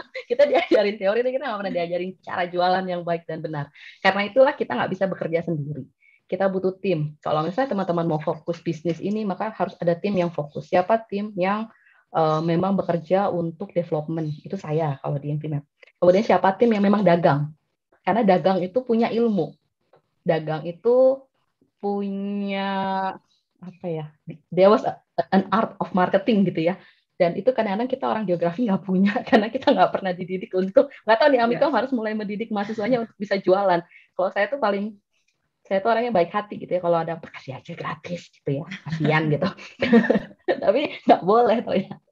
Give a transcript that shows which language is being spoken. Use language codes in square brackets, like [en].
[id] Kita diajarin teori, tapi kita nggak pernah diajarin cara jualan yang baik dan benar. Karena itulah kita nggak bisa bekerja sendiri. kita butuh tim. Kalau misalnya teman-teman mau fokus bisnis ini, maka harus ada tim yang fokus. Siapa tim yang memang bekerja untuk development? Itu saya kalau di Infimap. Kemudian siapa tim yang memang dagang? Karena dagang itu punya ilmu. Dagang itu punya apa ya? [en] There was an art of marketing [id] gitu ya. Dan itu kadang-kadang kita orang geografi nggak punya, karena kita nggak pernah dididik untuk, nggak tahu nih, Amikom harus mulai mendidik mahasiswanya untuk bisa jualan. Kalau saya tuh paling, saya tuh orangnya baik hati gitu ya, kalau ada kasih aja gratis gitu ya, kasihan gitu. Tapi nggak boleh ternyata.